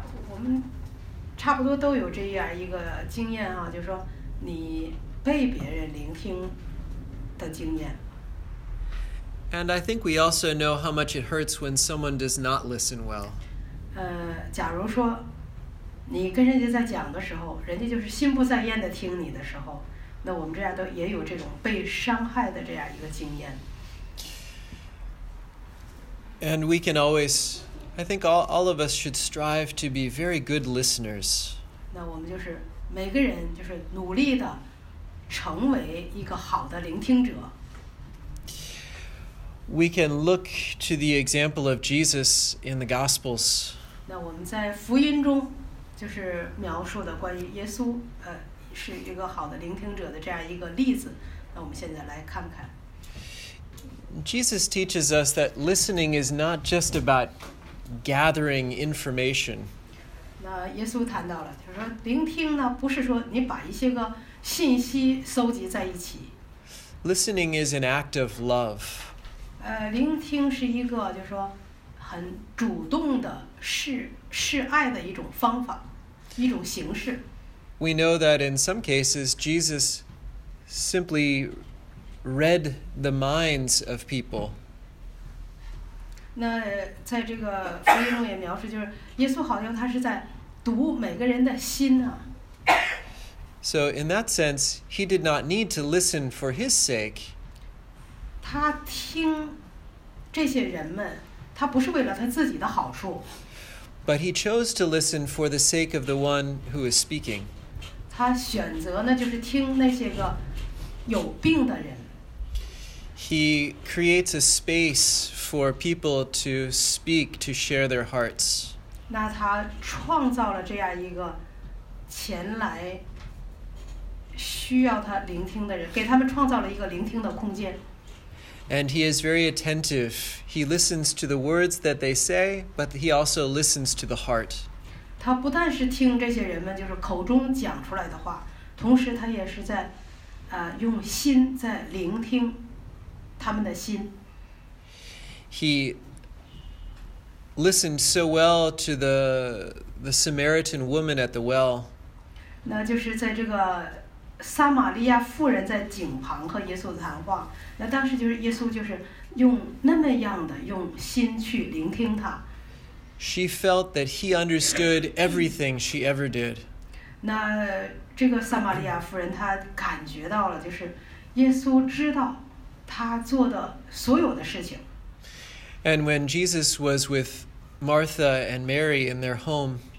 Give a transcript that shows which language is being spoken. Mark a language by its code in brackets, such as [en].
[zh] 我们差不多都有这样一个经验啊，就是说你被别人聆听的经验。 [en] And I think we also know how much it hurts when someone does not listen well. [zh] 假如说你跟人家在讲的时候，人家就是心不在焉的听你的时候，那我们这样都也有这种被伤害的这样一个经验。 [en] And we can always, I think all of us should strive to be very good listeners. [zh] 那我们就是每个人就是努力的成为一个好的聆听者。 [en] We can look to the example of Jesus in the Gospels. [zh] 那我们在福音中就是描述的关于耶稣是一个好的聆听者的这样一个例子，那我们现在来看看。 [en] Jesus teaches us that listening is not just about gathering information. [zh] 那耶稣谈到了，他说聆听呢，不是说你把一些个信息搜集在一起。 [en] Listening is an act of love. [zh] 聆听是一个就是说很主动的示爱的一种方法，一种形式。 [en] We know that in some cases Jesus simply read the minds of people. [zh] 那在这个福音中也描述，就是耶稣好像他是在读每个人的心啊。 [en] So in that sense, he did not need to listen for his sake. [zh] 他听这些人们，他不是为了他自己的好处。 [en] But he chose to listen for the sake of the one who is speaking. [zh] 他选择呢，就是听那些个有病的人。 [en] He creates a space for people to speak, to share their hearts. [zh] 那他创造了这样一个前来需要他聆听的人，给他们创造了一个聆听的空间。 [en] And he is very attentive. He listens to the words that they say, but he also listens to the heart. [zh] 他不但是听这些人们就是口中讲出来的话，同时他也是在用心在聆听他们的心。 [en] He listened so well to the Samaritan woman at the well. [zh] 那就是在这个撒玛利亚妇人在井旁和耶稣谈话，那当时就是耶稣就是用那么样的用心去聆听她。 [en] She felt that he understood everything she ever did. [zh] 那这个撒玛利亚妇人她感觉到了，就是耶稣知道她做的所有的事情。 [en] And when Jesus was with Martha and Mary in their home,